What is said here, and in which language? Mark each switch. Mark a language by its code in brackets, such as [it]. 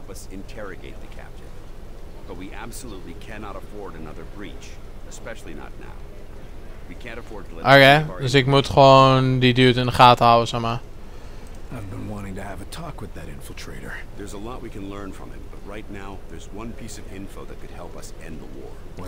[en] Interrogate the captain, but we absolutely cannot afford another breach, especially not now. We can't afford to let. [nl] Okay, dus ik moet gewoon die dude in de gaten houden, zeg maar. [en] I've been wanting to have a talk with that infiltrator. There's a lot we can learn from him, but right now there's one piece of info that could help us end the war.